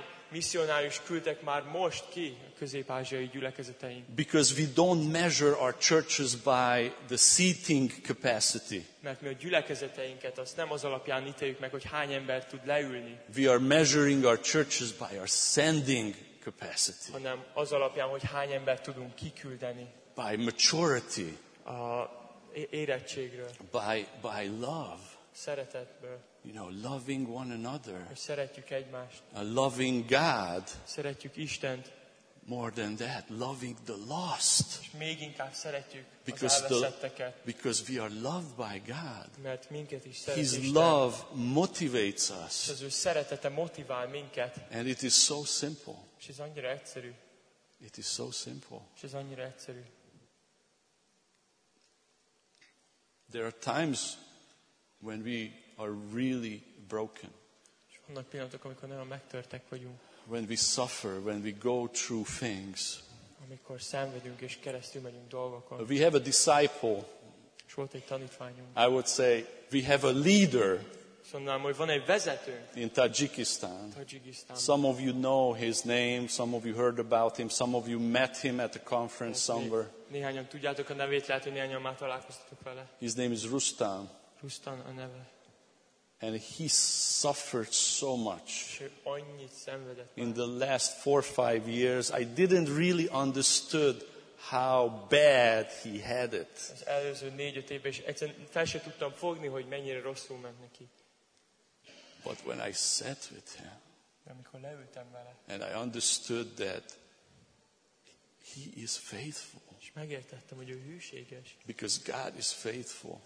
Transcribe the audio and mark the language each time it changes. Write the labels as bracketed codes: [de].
[hu] Missionáriusok küldtek már most ki a közép-ázsiai gyülekezeteink. [en] Because we don't measure our churches by the seating capacity. [hu] Mert mi a gyülekezeteinket azt nem az alapján ítéljük meg, hogy hány ember tud leülni. [en] We are measuring our churches by our sending capacity. [hu] Hanem az alapján, hogy hány ember tudunk kiküldeni. [en] By maturity. [hu] A érettségről. [en] By love. [hu] Szeretetből. [en] You know, loving one another. [hu] Szeretjük egymást. [en] A loving God. [hu] Szeretjük Istent. [en] More than that, loving the lost. [hu] És még inkább szeretjük az elveszetteket. [en] Because we are loved by God. [hu] Mert minket is szeret [en] His [hu] Isten. [en] Love motivates us. [hu] És az ő szeretete motivál minket. [en] And it is so simple. [hu] És ez annyira egyszerű. [en] It is so simple. [hu] És ez annyira egyszerű. [en] There are times when we are really broken. [hu] Vannak pillanatok, amikor nagyon megtörtek vagyunk. [en] When we suffer, when we go through things. [hu] Amikor szenvedünk és keresztül megyünk dolgokon. [en] We have a disciple. [hu] És volt egy tanítványunk. [en] I would say we have a leader. [hu] Szóval, hogy van egy vezető. [en] In Tajikistan. Some of you know his name, some of you heard about him, some of you met him at a conference somewhere. [hu] Néhányan tudjátok a nevét, lehet, hogy néhányan már találkoztatok vele. [en] His name is Rustam. [hu] Rustam a neve. [en] And he suffered so much. [hu] Annyit szenvedett. [en] In the last 4 or 5 years, I didn't really understood how bad he had it. [hu] Az előző 4-5 évben is egyszerűen fel sem tudtam fogni, hogy mennyire rosszul ment neki. [en] But when I sat with him, [hu] de amikor leültem vele, [en] and I understood that he is faithful. [hu] És megértettem, hogy ő hűséges. [en] Because God is faithful.